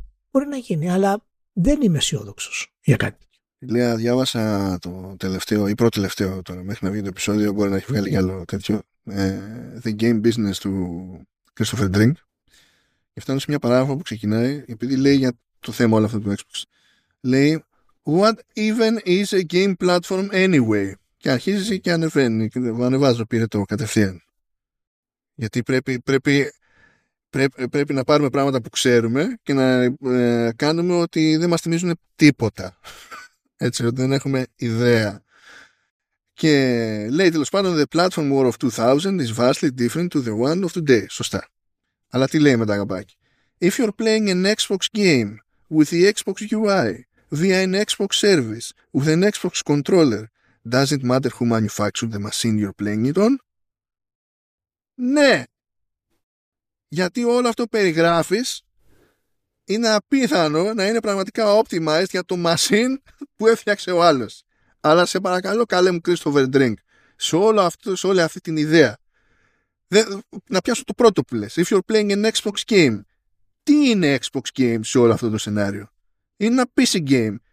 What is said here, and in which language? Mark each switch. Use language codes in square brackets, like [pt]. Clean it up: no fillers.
[el] Μπορεί να γίνει, αλλά δεν είμαι αισιόδοξος για κάτι. Λέω, διάβασα το τελευταίο ή προτελευταίο τώρα, μέχρι να βγει το επεισόδιο, μπορεί να έχει βγάλει κι άλλο τέτοιο. The Game Business του Christopher Drink. Και φτάνω σε μια παράγραφο που ξεκινάει, επειδή λέει για το θέμα όλο αυτό του Xbox. Λέει, [en] what even is a game platform anyway? [el] Και αρχίζει και ανεβαίνει. Ανεβάζω, πήρε το κατευθείαν. Γιατί πρέπει να πάρουμε πράγματα που ξέρουμε και να κάνουμε ότι δεν μας θυμίζουν τίποτα. Έτσι, ότι δεν έχουμε ιδέα. Και λέει, τέλος πάντων, [en] the platform war of 2000 is vastly different to the one of today. [el] Σωστά. Αλλά τι λέει μετά, αγαπάκι. [en] If you're playing an Xbox game with the Xbox UI via an Xbox service with an Xbox controller, does it matter who manufactured the machine you're playing it on? [el] Ναι! Γιατί όλο αυτό περιγράφεις είναι απίθανο να είναι πραγματικά optimized για το machine που έφτιαξε ο άλλος. Αλλά σε παρακαλώ, καλέ μου Christopher Drink, σε όλη αυτή την ιδέα, να πιάσω το πρώτο που λες. [en] If you're playing an Xbox game, [el] τι είναι Xbox game σε όλο αυτό το σενάριο? Είναι ένα PC game.